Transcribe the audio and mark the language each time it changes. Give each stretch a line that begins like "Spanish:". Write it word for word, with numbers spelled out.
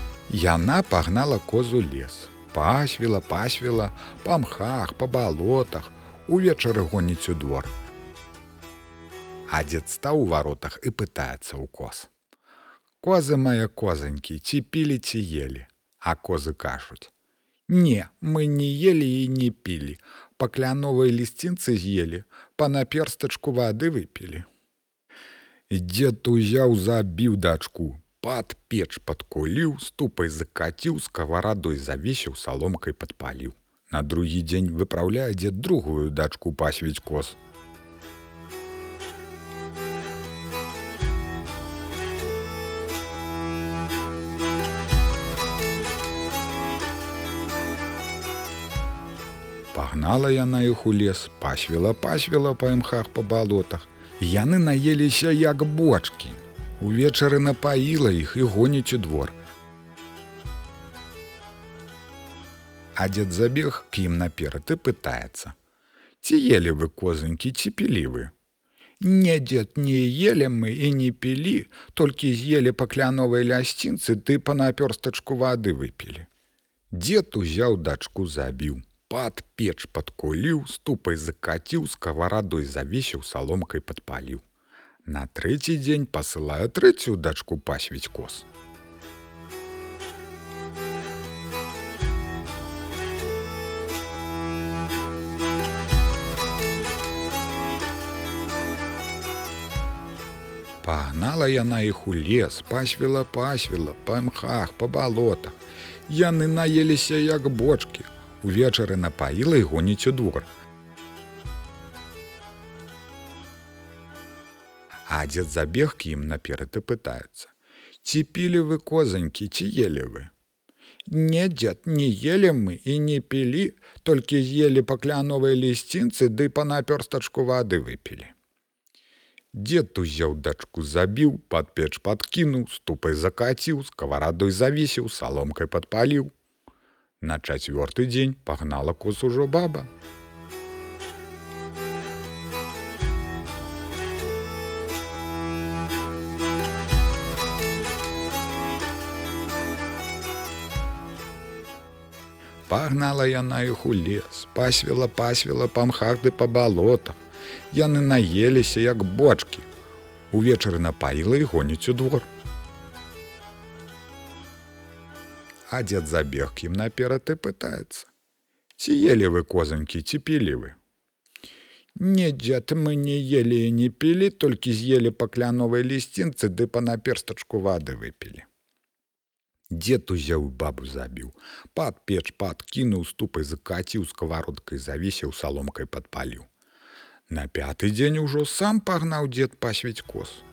Belarusian: Яна пагнала козу лес. Пасвіла, пасвіла, па мхах, па балотах, увечары гоніць у двор. А дед стаў у варотах і пытаецца ў коз.
Russian: «Козы мои козоньки, те пили, те ели?» А козы кажут: «Не, мы не ели и не пили. По кляновой листинце съели, по наперсточку воды выпили».
Belarusian: Дед узяў, забіў дачку, пад печ подкуліў, ступай закатіў, сковородой завесіў, соломкой подпаліў. На другі дзень выпраўляе дед другую дачку пасвіць коз. Пагнала яна іх у лес, пасвіла, пасвіла па мхах, па балотах. Яны наеліся, як бочкі. Увечары напаіла іх і гоніць у двор. А дед забег к ім наперад і пытаецца: «Ці ели вы, козонькі, ці пілі вы?»
Russian: «Не, дед, не ели мы и не пили, только съели по кляновой лясцінцы, ты по напёрстачку воды выпили».
Belarusian: Дед узяў дачку, забіў, пад печ падкуліў, ступай закаціў, сковородой завесіў, соломкой падпаліў. На трэці дзень пасылае трэцюю дачку пасвіць коз. Пагнала яна іх у лес, пасвіла, пасвіла, па мхах, па балотах. Яны наеліся, як бочкі. Увечары напаіла і гоніць у двор. А дед забег к ім наперад і пытаецца: «Ці пілі вы, козонькі, ці ели вы?»
Russian: «Не, дед, не ели мы и не пили, только ели по кляновой листинце, да и по напёрстачку воды выпили».
Belarusian: Дед узяў дачку, забіў, пад печ падкінуў, ступай закаціў, сковородой завесіў, соломкой падпаліў. На чацвёрты дзень пагнала коз ужо баба. Пагнала яна іх у лес, пасвіла, пасвіла па мхах ды па балотах. Яны наеліся, як бочкі. Увечары напаіла і гоніць у двор. А дед забег к ім наперад і пытаецца: «Ці ели вы, козонькі, ці пілі вы?»
Russian: «Не, дед, мы не ели и не пили, только съели по кляновой листинце, да по наперсточку воды выпили».
Belarusian: Дед узяў, бабу забіў, пад печ падкінуў, ступай закаціў, сковородкой завесіў, соломкой падпаліў. На пяты дзень ужо сам пагнаў дед пасвіць коз.